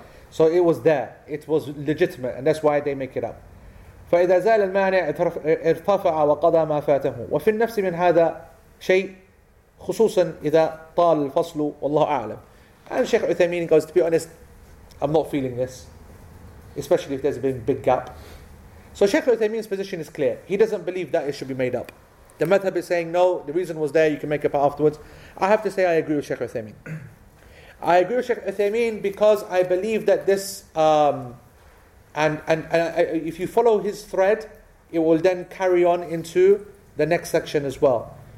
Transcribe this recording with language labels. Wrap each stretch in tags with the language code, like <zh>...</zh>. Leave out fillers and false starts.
<en>So it was there. It was legitimate, and that's why they make it up.</en> <ar>فإذا زال المانع ارتفع وقضى ما فاته وفي النفس من هذا شيء خصوصا إذا طال الفصل والله أعلم.</ar> <en>And Sheikh Uthameen goes, to be honest, I'm not feeling this, especially if there's been a big gap. So Sheikh Uthameen's position is clear. He doesn't believe that it should be made up. The madhab is saying, no, the reason was there, you can make up afterwards. I have to say I agree with Sheikh Uthameen. I agree with Sheikh Uthameen because I believe that this if you follow his thread, it will then carry on into the next section as well.</en>